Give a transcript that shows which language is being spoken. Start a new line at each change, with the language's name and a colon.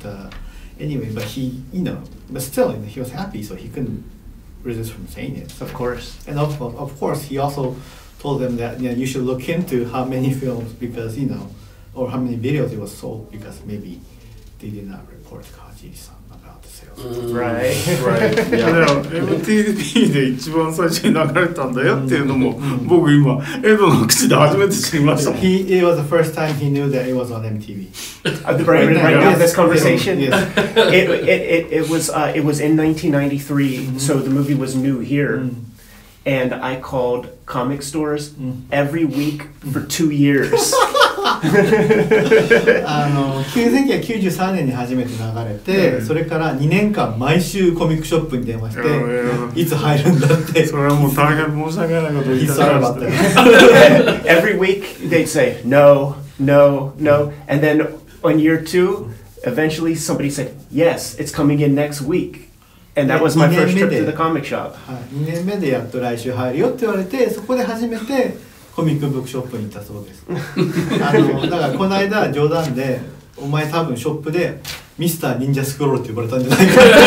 English: But anyway, but he, you know, but still, you know, he was happy, so he couldn't resist from saying it. Of course. And of course, he also... told them that you know, you should look into how many films because you know or how many videos it was sold because maybe they did not report Kawajiri-san about the sales right
Japanese: MTV で一番最初に流れたんだよっていうのも僕今エドの口で初めて知りました。
English: It was the first time he knew that it was on MTV. This conversation it was in 1993 mm-hmm. so the movie was new here mm-hmm. And I called comic stores mm. every week for 2 years
Japanese: あの1993年に初めて流れて、うん、それから2年間毎週コミックショップに電話して いつ入るんだって。それはもう大変申し訳ないこと言ったらして
English: Every week they'd say no, no, no. And then on year two, eventually somebody said yes, it's coming in next week. And that was my first trip to the comic shop.
Japanese: 2年目でやっと来週入るよって言われて、そこで初めてコミックブックショップに行ったそうです。あのだからこの間冗談で、お前多分ショップでミスター忍者スクロールって呼ばれたんじゃないか